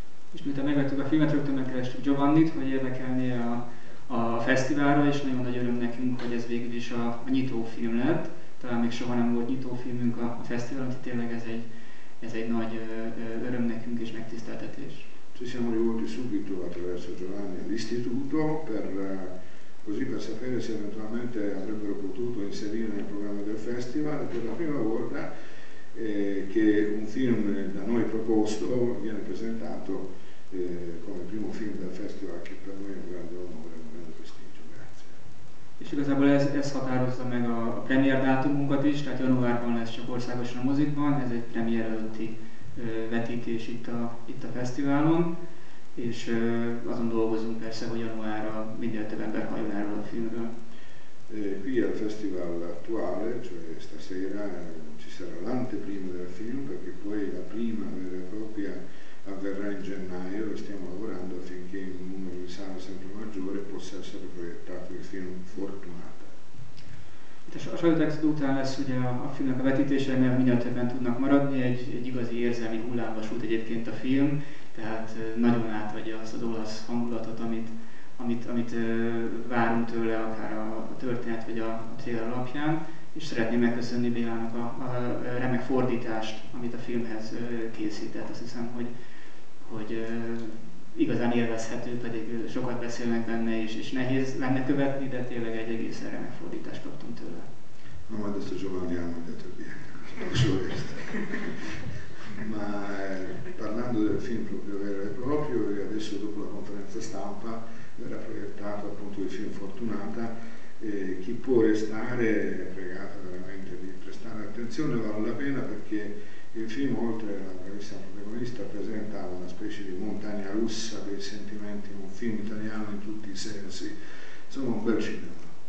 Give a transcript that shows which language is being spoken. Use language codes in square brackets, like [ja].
[hu] És miután megvettük a filmet, rögtön megkerestük Giovannit, hogy érdekelné a fesztiválra, és nagyon nagy öröm nekünk, hogy ez végül is a nyitó film lett. Talán még soha nem volt nyitó filmünk a fesztiválon, tehát tényleg ez egy nagy öröm nekünk és megtiszteltetés. [it] Ci siamo rivolti subito attraverso Giovanni all'istituto così per sapere se eventualmente avrebbero potuto inserire nel programma del festival per la prima volta che un film da noi proposto viene presentato come primo film del festival, che per noi è un grande onore, un grande prestigio, grazie. [hu] És igazából ez határozza meg a premier dátumunkat is, tehát januárban lesz csak országosan a mozikban, ez egy premier előtti vetítés itt a fesztiválon, és azon dolgozunk persze, hogy januárra minden több ember halljon erről a filmről. [it] Qui al festival attuale, cioè stasera, ci sarà l'anteprima del film, perché poi la prima vera e propria avverrà in gennaio e stiamo lavorando affinché un numero di sale sempre maggiore possa essere proiettato il film Fortunata. [hu] Itt a sajtóexpó után lesz ugye a filmnek a vetítése, mert minél többen tudnak maradni, egy igazi érzelmi hullámvasút egyébként a film, tehát nagyon átadja azt az olasz hangulatot, amit várunk tőle, akár a történet vagy a trailer alapján, és szeretném megköszönni Bélának a remek fordítást, amit a filmhez készített. Azt hiszem, hogy igazán élvezhető, pedig sokat beszélnek benne, és nehéz lenne követni, de tényleg egy egészen remek fordítást kaptunk tőle. Na majd ezt a Giovanni elmondja többieknek, sok részt. [it] Ma parlando del film proprio vero e proprio, adesso dopo la conferenza stampa verrà proiettato appunto il film Fortunata, chi può restare è pregato veramente di prestare attenzione, vale la pena perché il film, oltre alla bravissima protagonista, presenta una specie di montagna russa dei sentimenti, un film italiano in tutti i sensi, insomma un bel cinema.